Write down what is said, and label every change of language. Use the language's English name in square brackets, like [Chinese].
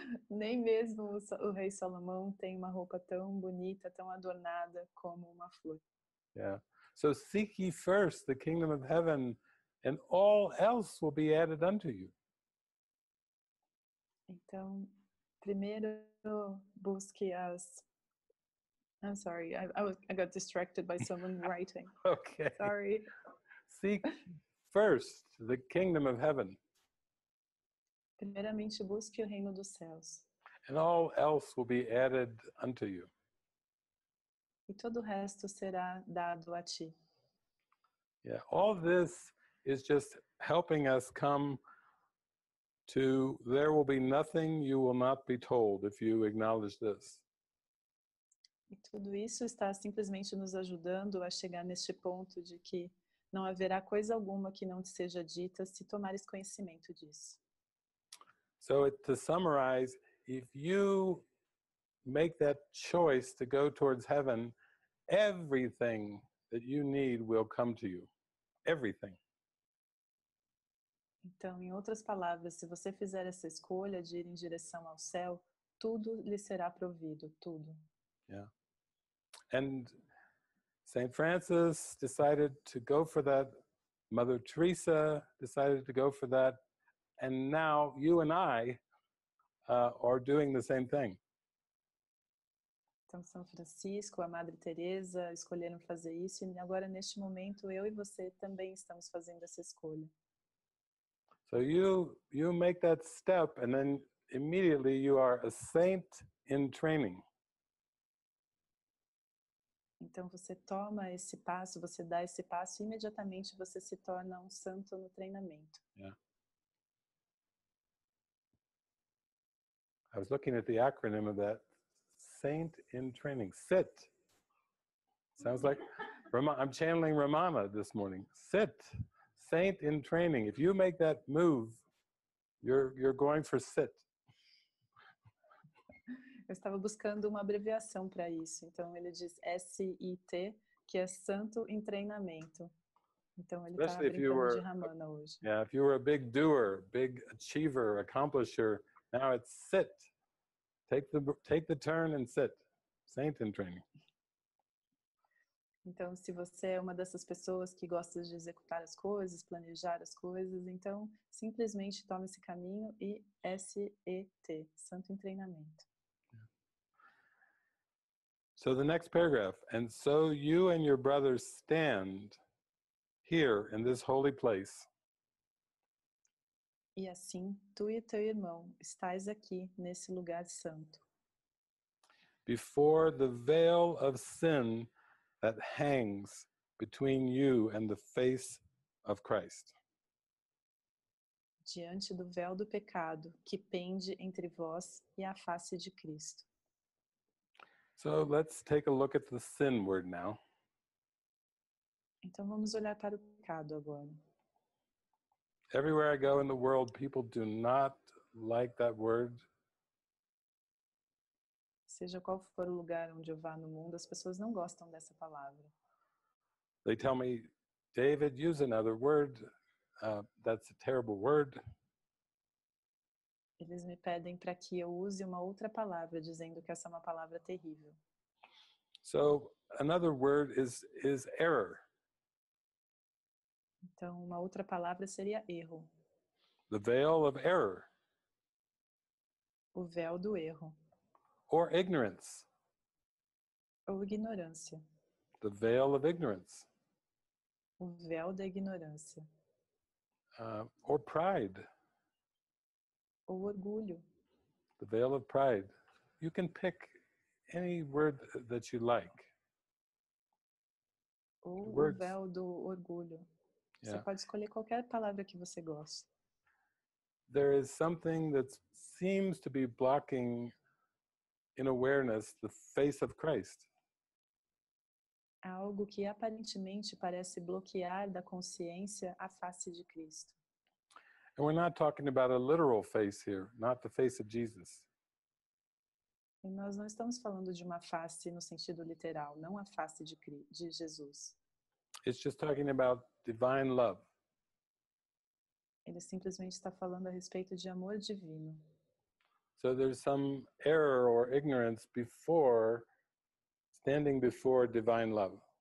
[Portuguese] Nem mesmo o rei Salomão tem uma roupa tão bonita, tão adornada como uma flor. [English] Yeah. So seek ye first the kingdom of heaven, and all else will be added unto you. [Portuguese] Então, primeiro busque as. [English] I'm sorry, I got distracted by someone writing. Okay. Sorry. Seek first the kingdom of heaven. [Portuguese] Primeiramente busque o reino dos céus. [English] And all else will be added unto you. [Portuguese] E todo o resto será dado a ti. [English] Yeah, all this is just helping us come to there will be nothing you will not be told if you acknowledge this. [Portuguese] E tudo isso está simplesmente nos ajudando a chegar neste ponto de que não haverá coisa alguma que não te seja dita se tomares conhecimento disso. [English] So to summarize, if you make that choice to go towards heaven, everything that you need will come to you. Everything. [Portuguese] Então, em outras palavras, se você fizer essa escolha de ir em direção ao céu, tudo lhe será provido, tudo. [English] Yeah. And Saint Francis decided to go for that. Mother Teresa decided to go for that. And now you and I are doing the same thing. [Portuguese] Então, São Francisco, a Madre Teresa escolheram fazer isso. E agora, neste momento, eu e você também estamos fazendo essa escolha. [English] So you make that step and then immediately you are a saint in training. [Portuguese] Então você toma esse passo, você dá esse passo e imediatamente você se torna um santo no treinamento. [English] Yeah. I was looking at the acronym of that, saint in training, SIT. Sounds like, I'm channeling Ramana this morning, SIT. Saint in training. If you make that move, you're going for sit. [Portuguese] Eu estava buscando uma abreviação para isso. Então ele diz SIT, que é santo em treinamento. Então ele está brincando de Ramana hoje. [English] Yeah, if you were a big doer, big achiever, accomplisher, now it's sit. Take the turn and sit. Saint in training. [Portuguese] Então, se você é uma dessas pessoas que gosta de executar as coisas, planejar as coisas, então, simplesmente tome esse caminho e SET, santo em treinamento. [English] So, the next paragraph. And so you and your brothers stand here in this holy place. [Portuguese] E assim, tu e teu irmão estais aqui nesse lugar santo. [English] before the veil of sin that hangs between you and the face of Christ. [Portuguese] Diante do véu do pecado que pende entre vós e a face de Cristo. [English] So let's take a look at the sin word now. [Portuguese] Então vamos olhar para o pecado agora. [English] Everywhere I go in the world, people do not like that word. [Portuguese] Seja qual for o lugar onde eu vá no mundo, as pessoas não gostam dessa palavra. [English] They tell me, David, use another word. That's a terrible word. [Portuguese] Eles me pedem para que eu use uma outra palavra, dizendo que essa é uma palavra terrível. [English] So, another word is error. [Portuguese] Então, uma outra palavra seria erro. [English] The veil of error. [Portuguese] O véu do erro. [English] Or ignorance. [Portuguese] Ou ignorância. [English] The veil of ignorance. [Portuguese] O véu da ignorância. [English] Or pride. [Portuguese] Ou orgulho. [English] The veil of pride. You can pick any word that you like. [Portuguese] Ou [English] words. [Portuguese] O véu do orgulho. [English] Yeah. [Portuguese] Você pode escolher qualquer palavra que você goste. [English] There is something that seems to be blocking in awareness the face of Christ. [Portuguese] Algo que aparentemente parece bloquear da consciência a face de Cristo. [English] And we're not talking about a literal face here, not the face of Jesus. [Portuguese] E nós não estamos falando de uma face no sentido literal, não a face de Jesus. [English] It's just talking about divine love. [Portuguese] Ele simplesmente está falando a respeito de amor divino. [English] So there's some error or ignorance before standing before divine love.